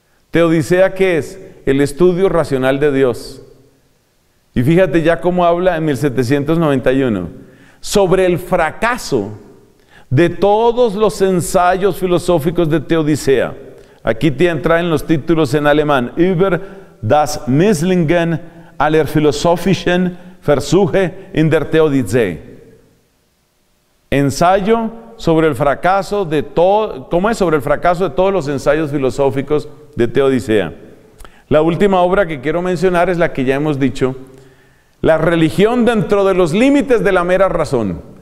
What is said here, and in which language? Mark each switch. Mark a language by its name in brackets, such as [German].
[Spanish] ¿Teodicea qué es? El estudio racional de Dios. Y fíjate ya cómo habla en 1791. Sobre el fracaso de todos los ensayos filosóficos de Teodicea. Aquí te entran los títulos en alemán. [German] Über das Misslingen aller Philosophischen Versuche in der Theodizee. [Spanish] Ensayo sobre el fracaso de todo, ¿cómo es? Sobre el fracaso de todos los ensayos filosóficos de Teodicea. La última obra que quiero mencionar es la que ya hemos dicho, La religión dentro de los límites de la mera razón.